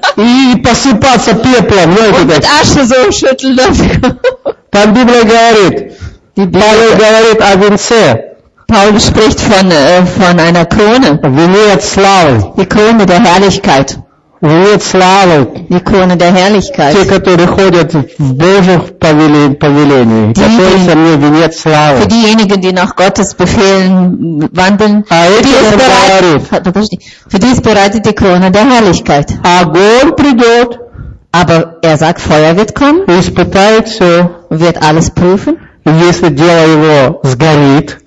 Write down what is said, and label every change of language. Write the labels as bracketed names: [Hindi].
[Russian] И посыпаться пеплом. [German] Und mit Asche so schütteln. [Russian] Там Библия говорит. Павел говорит о венце. [German] Paul spricht von einer Krone. Die Krone der Herrlichkeit. Die Krone der Herrlichkeit. [Russian] Те, которые ходят в Божьих повелениях, готовятся мне венец славы. [German] Für diejenigen, die nach Gottes Befehlen wandeln, für die ist bereitet die Krone der Herrlichkeit. [Russian] Огонь придет. [German] Aber er sagt, Feuer wird kommen. [Russian] Испытает все. [German] Wird alles prüfen. [Russian] Если дело его сгорит.